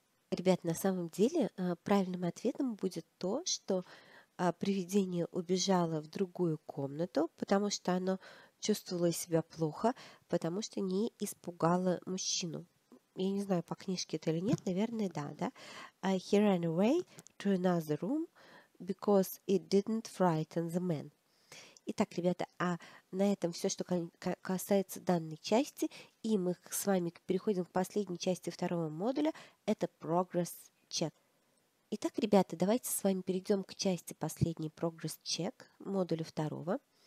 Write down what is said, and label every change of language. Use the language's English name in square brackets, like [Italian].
[Russian] Ребят, на самом деле правильным ответом будет то, что привидение убежало в другую комнату, потому что оно чувствовало себя плохо, потому что не испугало мужчину. Я не знаю, по книжке это или нет, наверное, да, да. [English] He ran away to another room because it didn't frighten the man. [Russian] Итак, ребята, а на этом все, что касается данной части, и мы с вами переходим к последней части второго модуля, это progress check. Итак, ребята, давайте с вами перейдем к части последней progress check, модуля второго.